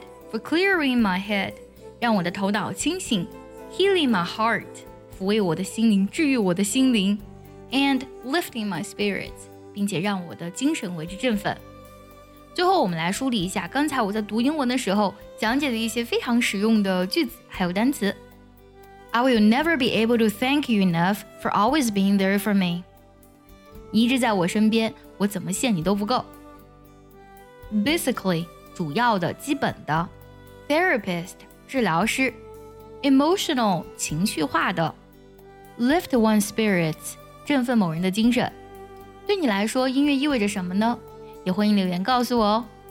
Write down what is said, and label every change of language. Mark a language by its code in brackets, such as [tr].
[en] For clearing my head, [zh] 让我的头脑清醒， [en] healing my heart, [zh] 抚慰我的心灵，治愈我的心灵， [en] and lifting my spirits, [zh] 并且让我的精神为之振奋。最后我们来梳理一下刚才我在读英文的时候讲解的一些非常实用的句子还有单词。 [en] I will never be able to thank you enough for always being there for me. [zh] 你一直在我身边，我怎么谢你都不够。Basically 主要的基本的 Therapist 治疗师 Emotional 情绪化的 Lift one's spirits 振奋某人的精神。对你来说音乐意味着什么呢？也欢迎留言告诉我哦。